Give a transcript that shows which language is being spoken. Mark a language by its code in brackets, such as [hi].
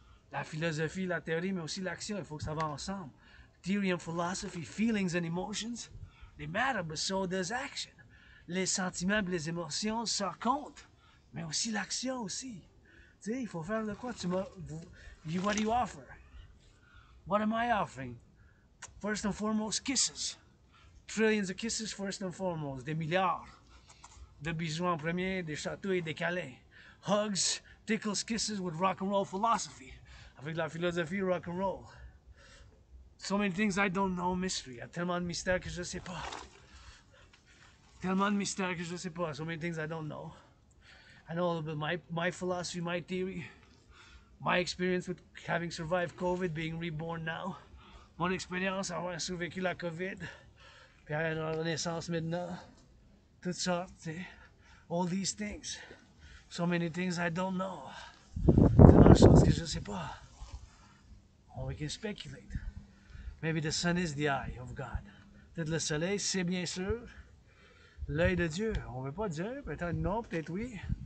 [fr] La philosophie, la théorie, mais aussi l'action, il faut que ça va ensemble. [en] Theory and philosophy, feelings and emotions, they matter, but so does action. [fr] Les sentiments et les émotions, ça compte. Mais aussi l'action aussi. Tu sais, il faut faire de quoi? [en] What do you offer? What am I offering? First and foremost, kisses. Trillions of kisses, first and foremost. [fr] Des milliards de bisous en premier, des châteaux et des câlins. [en] Hugs, tickles, kisses with rock and roll philosophy. [fr] Avec la philosophie rock and roll. [en] So many things I don't know, mystery. [fr] Il y a tellement de mystères que je ne sais pas. Tellement de mystères que je ne sais pas. [en] So many things I don't know. I know a little bit, my philosophy, my theory, my experience with having survived COVID, being reborn now. [fr] Mon expérience, avoir survécu la COVID, puis avoir une renaissance maintenant, toutes sortes, t'sais. [en] All these things, so many things I don't know. [fr] C'est une chose que je ne sais pas. [en] Or we can speculate. Maybe the sun is the eye of God. [fr] Peut-être le soleil, c'est bien sûr l'œil de Dieu. On ne veut pas Dieu, peut-être non, peut-être oui.